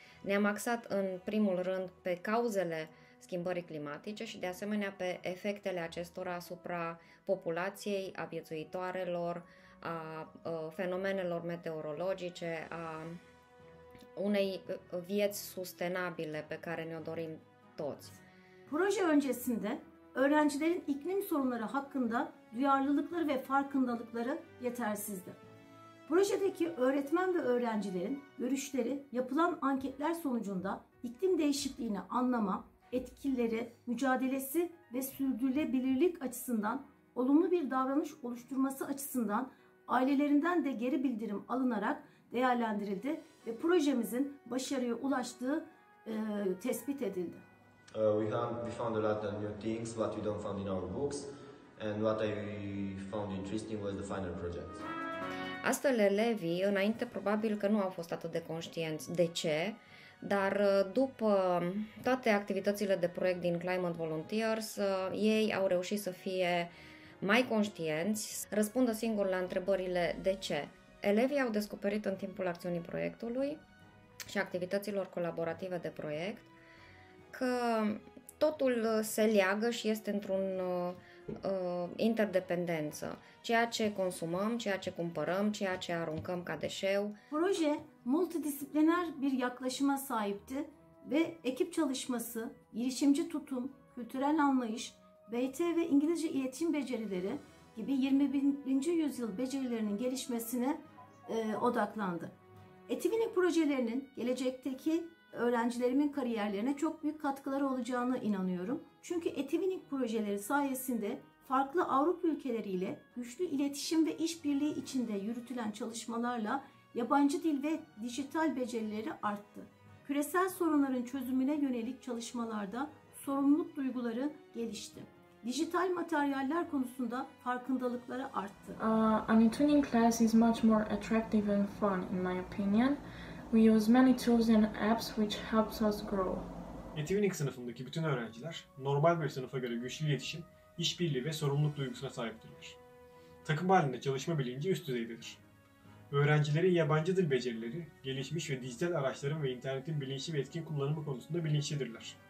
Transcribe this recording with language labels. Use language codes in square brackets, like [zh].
[ro] Ne-am axat în primul rând pe cauzele schimbării climatice și de asemenea pe efectele acestora asupra populației, a viețuitoarelor, a fenomenelor meteorologice, a unei vieți sustenabile pe care ne-o dorim toți. [tr] Proje öncesinde öğrencilerin iklim sorunları hakkında duyarlılıkları ve farkındalıkları yetersizdi. Projedeki öğretmen ve öğrencilerin görüşleri yapılan anketler sonucunda iklim değişikliğini anlama, etkileri, mücadelesi ve sürdürülebilirlik açısından olumlu bir davranış oluşturması açısından ailelerinden de geri bildirim alınarak değerlendirildi ve projemizin başarıya ulaştığı tespit edildi. [en] We found a lot of new things what we don't found in our books, and what I found interesting was the final project. [ro] Astfel, elevii, înainte probabil că nu au fost atât de conștienți de ce, dar după toate activitățile de proiect din Climate Volunteers, ei au reușit să fie mai conștienți, răspundă singur la întrebările de ce. Elevii au descoperit în timpul acțiunii proiectului și activităților colaborative de proiect că totul se leagă și este într-un interdependență. Ceea ce consumăm, ceea ce cumpărăm, ceea ce aruncăm ca deșeu. [tr] Proje multidisciplinar bir yaklaşıma sahipti ve ekip çalışması, girişimci tutum, kültürel anlayış, BT ve İngilizce iletişim becerileri gibi 21. yüzyıl becerilerinin gelişmesine odaklandı. eTwinning projelerinin gelecekteki öğrencilerimin kariyerlerine çok büyük katkıları olacağına inanıyorum. Çünkü eTwinning projeleri sayesinde farklı Avrupa ülkeleriyle güçlü iletişim ve işbirliği içinde yürütülen çalışmalarla yabancı dil ve dijital becerileri arttı. Küresel sorunların çözümüne yönelik çalışmalarda sorumluluk duyguları gelişti. Digital materyaller konusunda farkındalıkları arttı. [en] An eTwinning class is much more attractive and fun, in my opinion. We use many tools and apps which helps us grow. [tr] eTwinning sınıfındaki bütün öğrenciler normal bir sınıfa göre güçlü iletişim, işbirliği ve sorumluluk duygusuna sahiptirler. Takım halinde çalışma bilinci üst düzeydedir. Öğrencilerin yabancı dil becerileri, gelişmiş ve dijital araçların ve internetin bilinçli ve etkin kullanımı konusunda bilinçlidirler.